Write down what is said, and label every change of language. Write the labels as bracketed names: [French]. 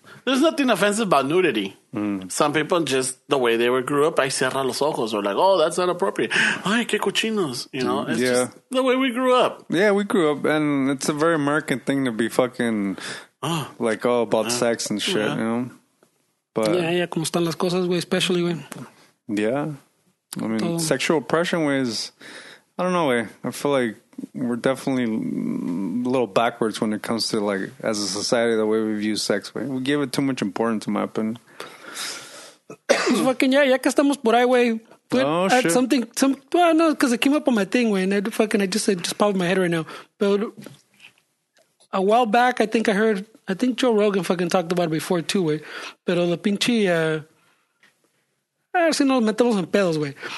[English] There's nothing offensive about nudity. Mm. Some people just, the way they were grew up, I [Spanish] cierra los ojos. [English] Or like, oh, that's not appropriate. [Spanish] Ay, que cochinos. [English] You know, it's yeah. Just the way we grew up. Yeah, we grew up. And it's a very American thing to be fucking, about sex and shit, you know. But [Spanish] yeah, como están las cosas, güey, especially, güey. [English] Yeah. I mean, sexual oppression, güey, is, I don't know, güey. I feel like we're definitely a little backwards when it comes to, like, as a society, the way we view sex. Wey. We give it too much importance, in my opinion. Fucking, yeah, [Spanish] ya que estamos por ahí, güey. [English] Oh, shit. Because it came up on my thing, güey, and I just popped in my head right now. But a while back, I think Joe Rogan fucking talked about it before, too, güey. [Spanish] Pero la pinche, si nos metemos en pedos, güey.